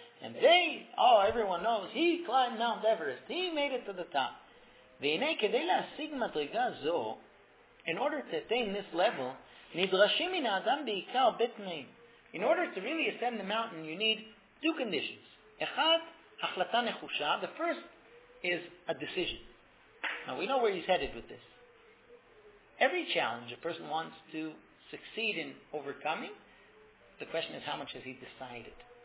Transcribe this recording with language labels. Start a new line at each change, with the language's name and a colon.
English: And they, oh, everyone knows, he climbed Mount Everest. He made it to the top.
Hebrew: והנה, כדי להשיג מדרגה זו,
English: in order to attain this level,
Hebrew: נדרשים מן האדם בעיקר בתנאים.
English: In order to really ascend the mountain, you need two conditions.
Hebrew: אחד, החלטה נחושה.
English: The first is a decision. Now, we know where he's headed with this. Every challenge a person wants to succeed in overcoming, the question is, how much has he decided?